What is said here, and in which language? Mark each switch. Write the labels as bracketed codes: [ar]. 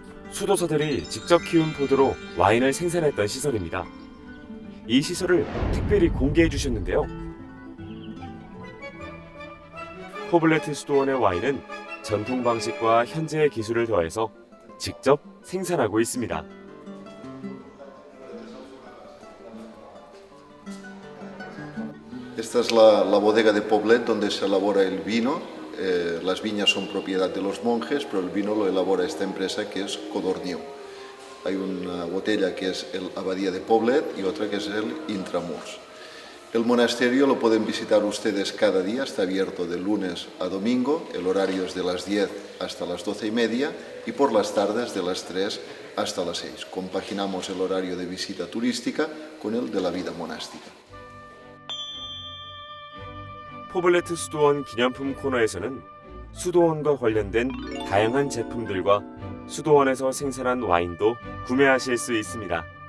[ko] 수도사들이 직접 키운 포도로 와인을 생산했던 시설입니다. 이 시설을 특별히 공개해 주셨는데요. 포블레트 수도원의 와인은 전통 방식과 현재의 기술을 더해서 직접 생산하고 있습니다. 이것은 [es] la bodega de Poblet donde se elabora el vino. Las viñas son propiedad de los monjes, pero el vino lo elabora esta empresa que es Codorniu. Hay una botella que es el Abadía de Poblet y otra que es el Intramurs. El monasterio lo pueden visitar ustedes cada día, está abierto de lunes a domingo, el horario es de las 10 hasta las 12 y media y por las tardes de las 3 hasta las 6. Compaginamos el horario de visita turística con el de la vida monástica. [ko] 포블레트 수도원 기념품 코너에서는 수도원과 관련된 다양한 제품들과 수도원에서 생산한 와인도 구매하실 수 있습니다.